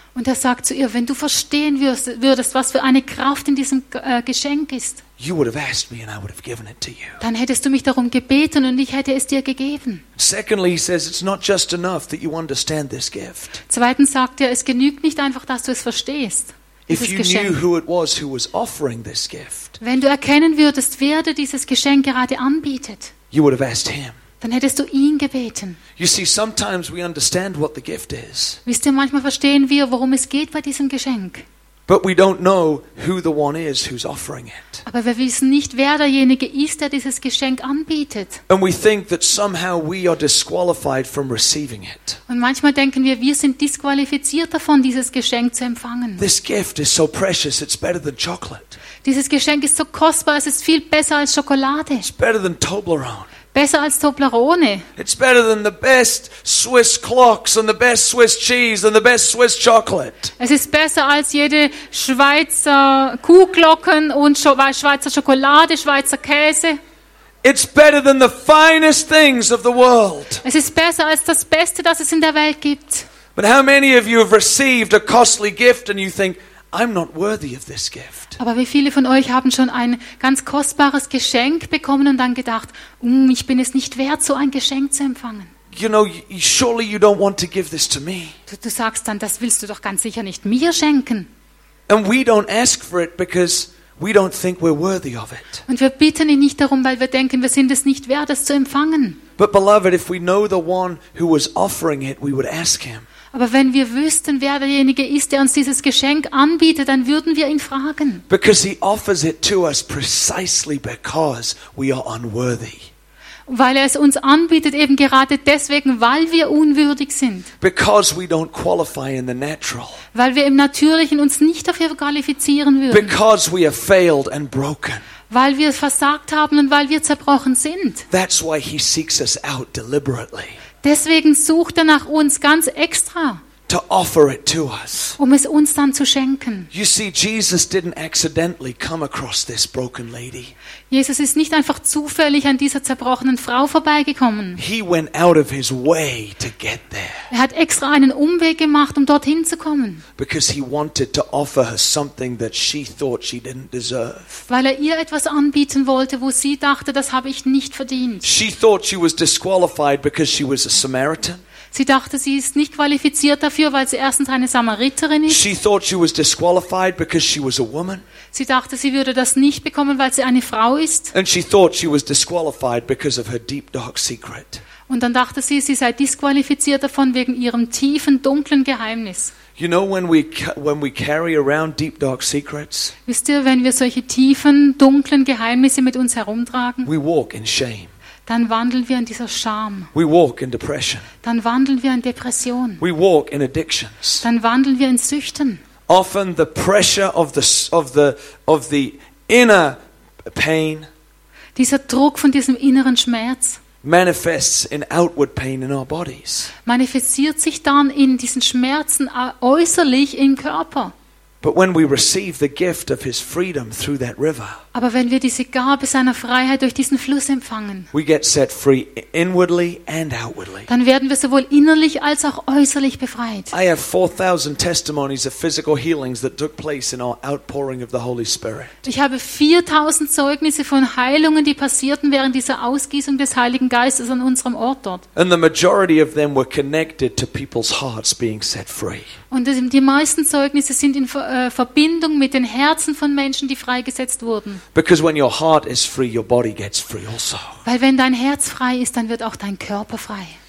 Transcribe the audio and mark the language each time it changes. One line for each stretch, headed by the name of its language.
German: Und er sagt zu ihr, wenn du verstehen würdest, was für eine Kraft in diesem Geschenk ist.
English: You would have asked me and I would have given it to you.
German: Dann hättest du mich darum gebeten und ich hätte es dir gegeben.
English: Secondly, he says, it's not just enough that you understand this gift.
German: Zweitens sagt er, es genügt nicht einfach, dass du es verstehst.
English: If you knew who it was who was offering this gift.
German: Wenn du erkennen würdest, wer dir dieses Geschenk gerade anbietet.
English: You would have asked him.
German: Dann hättest du ihn gebeten.
English: You see, sometimes we understand what the gift is.
German: Wisst ihr, manchmal verstehen wir, worum es geht bei diesem Geschenk.
English: But we don't know who the one is who's offering it.
German: Aber wir wissen nicht, wer derjenige ist, der dieses Geschenk anbietet.
English: And we think that somehow we are disqualified from receiving it.
German: Und manchmal denken wir, wir sind disqualifiziert davon, dieses Geschenk zu empfangen.
English: This gift is so precious, it's better than chocolate.
German: Dieses Geschenk ist so kostbar, es ist viel besser als Schokolade.
English: It's better than Toblerone.
German: Besser als Toblerone.
English: It's better than the best Swiss clocks and the best Swiss cheese and the best Swiss chocolate.
German: Es ist besser als jede Schweizer Kuhglocken und Schweizer Schokolade, Schweizer Käse.
English: It's better than the finest things of the world.
German: Es ist besser als das Beste, das es in der Welt gibt.
English: But how many of you have received a costly gift and you think, I'm not worthy of this gift.
German: Aber wie viele von euch haben schon ein ganz kostbares Geschenk bekommen und dann gedacht, ich bin es nicht wert, so ein Geschenk zu empfangen.
English: You know, surely you don't want to give this to me.
German: Du sagst dann, das willst du doch ganz sicher nicht mir schenken.
English: And we don't ask for it because we don't think we're worthy of it.
German: Und wir bitten ihn nicht darum, weil wir denken, wir sind es nicht wert, es zu empfangen.
English: But beloved, if we know the one who was offering it, we would ask him.
German: Aber wenn wir wüssten, wer derjenige ist, der uns dieses Geschenk anbietet, dann würden wir ihn fragen.
English: Because he offers it to us precisely because we are unworthy.
German: Weil er es uns anbietet, eben gerade deswegen, weil wir unwürdig sind.
English: Because we don't qualify in the natural.
German: Weil wir im Natürlichen uns nicht dafür qualifizieren würden.
English: Because we have failed and broken.
German: Weil wir versagt haben und weil wir zerbrochen sind.
English: That's why he seeks us out deliberately.
German: Deswegen sucht er nach uns ganz extra,
English: to offer it to us.
German: Um es uns dann zu schenken.
English: You see, Jesus didn't accidentally come across this broken lady.
German: Jesus ist nicht einfach zufällig an dieser zerbrochenen Frau vorbeigekommen.
English: He went out of his way to get there.
German: Er hat extra einen Umweg gemacht, um dorthin zu kommen.
English: Because he wanted to offer her something that she thought she didn't deserve.
German: Weil er ihr etwas anbieten wollte, wo sie dachte, das habe ich nicht verdient.
English: She thought she was disqualified because she was a Samaritan.
German: Sie dachte, sie ist nicht qualifiziert dafür, weil sie erstens eine Samariterin ist.
English: She thought she was disqualified because she was a woman.
German: Sie dachte, sie würde das nicht bekommen, weil sie eine Frau ist.
English: And she thought she was disqualified because of her deep dark secret.
German: Und dann dachte sie, sie sei disqualifiziert davon wegen ihrem tiefen, dunklen Geheimnis.
English: You know, when we carry around deep dark secrets.
German: Wisst ihr, wenn wir solche tiefen, dunklen Geheimnisse mit uns herumtragen?
English: We walk in shame.
German: Dann wandeln wir in dieser Scham.
English: We walk in depression.
German: Dann wandeln wir in Depression.
English: We walk in addictions.
German: Dann wandeln wir in Süchten.
English: Often the pressure of the inner pain,
German: dieser Druck von diesem inneren Schmerz,
English: manifests in outward pain in our bodies.
German: Manifestiert sich dann in diesen Schmerzen äußerlich im Körper.
English: But when we receive the gift of his freedom through that river,
German: aber wenn wir diese Gabe seiner Freiheit durch diesen Fluss empfangen,
English: we get set free inwardly and outwardly.
German: Dann werden wir sowohl innerlich als auch äußerlich befreit.
English: I have 4,000 testimonies of physical healings that took place in our outpouring of the Holy Spirit.
German: Ich habe 4,000 Zeugnisse von Heilungen, die passierten während dieser Ausgießung des Heiligen Geistes an unserem Ort dort.
English: And the majority of them were connected to people's hearts being set free.
German: Und die meisten Zeugnisse sind in Verbindung mit den Herzen von Menschen, die freigesetzt wurden.
English: Because when your heart is free, your body gets free also.
German: Weil wenn dein Herz frei ist, dann wird auch dein Körper frei.